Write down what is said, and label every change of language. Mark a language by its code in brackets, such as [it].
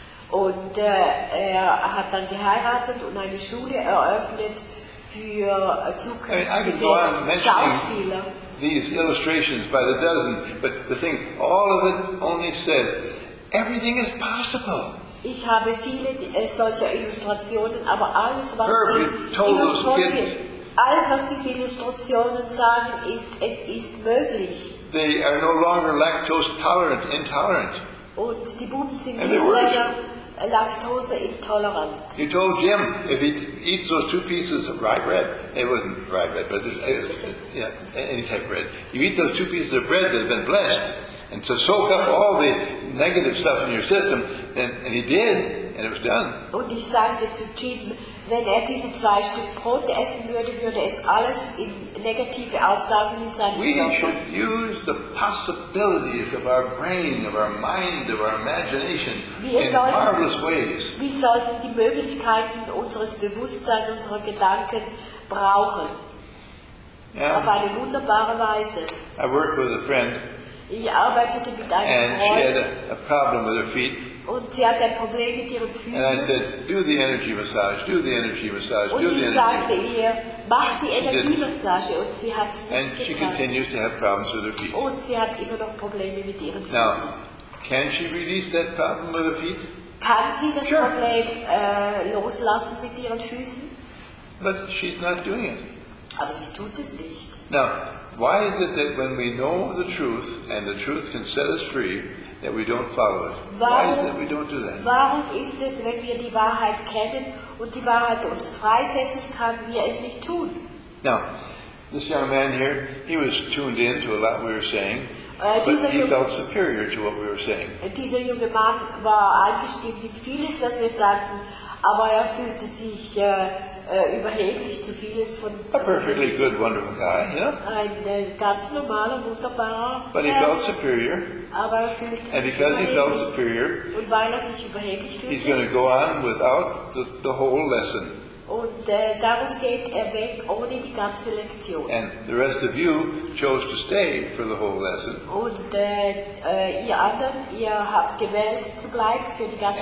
[de] Und er hat dann geheiratet und eine Schule eröffnet für zukünftige Schauspieler. [en] These illustrations by the dozen, but the thing, all of it only says, everything is possible. [de] Ich habe viele solcher Illustrationen, aber alles, was diese Illustrationen sagen, ist, es ist möglich. [en] They are no longer lactose tolerant, intolerant. [de] Und die Buben sind nicht mehr Laktose intolerant. [en] You told Jim, if he eats those two pieces of rye bread, it wasn't rye bread, but any type of bread. You eat those two pieces of bread that have been blessed, and to soak up all the negative stuff in your system, and he did, and it was done. [de] Und ich sagte zu Jim, wenn diese zwei Stück Brot essen würde, würde es alles in negative Aufsagen in seinem Körper. [en] We should use the possibilities of our brain, of our mind, of our imagination in marvelous ways. [de] Wir sollten die Möglichkeiten unseres Bewusstseins, unserer Gedanken brauchen. Yeah. Auf eine wunderbare Weise. [en] I worked with a friend. [de] Ich arbeitete mit einem [en] and [de] Freund. [en] She had a problem with her feet. [de] Und sie hat ein Problem mit ihren Füßen. [en] And I said, do the energy massage, do the energy massage, [de] und Und ich sagte ihr, mach die Energiemassage. Und sie hat es nicht [en] and [de] getan. [en] And she continues to have problems with her feet. [de] Und sie hat immer noch Probleme mit ihren Füßen. [en] Now, can she release that problem with her feet? [de] Kann sie das Problem loslassen mit ihren Füßen? [en] But she's not doing it. [de] Aber sie tut es nicht. [en] Now, why is it that when we know the truth and the truth can set us free, that we don't follow it? Why is it that we don't do that? [de] Warum ist es, wenn wir die Wahrheit kennen und die Wahrheit uns freisetzen kann, wir es nicht tun? [en] Now, this young man here, he was tuned in to a lot we were saying, but he felt superior to what we were saying. [de] Dieser junge Mann war eingestimmt mit vieles, was wir sagten, aber fühlte sich überheblich zu vielen von [en] a perfectly good, wonderful guy, [de] ein ganz normaler, wunderbarer [en] but he felt superior. [de] Aber fühlte [en] and because he felt superior, [de] und weil sich überheblich fühlte, [en] he's going to go on without the whole lesson. [de] Und darum geht weg, ohne die ganze Lektion. [en] And the rest of you chose to stay for the whole lesson. [de] Und ihr anderen, ihr habt gewählt zu bleiben für die ganze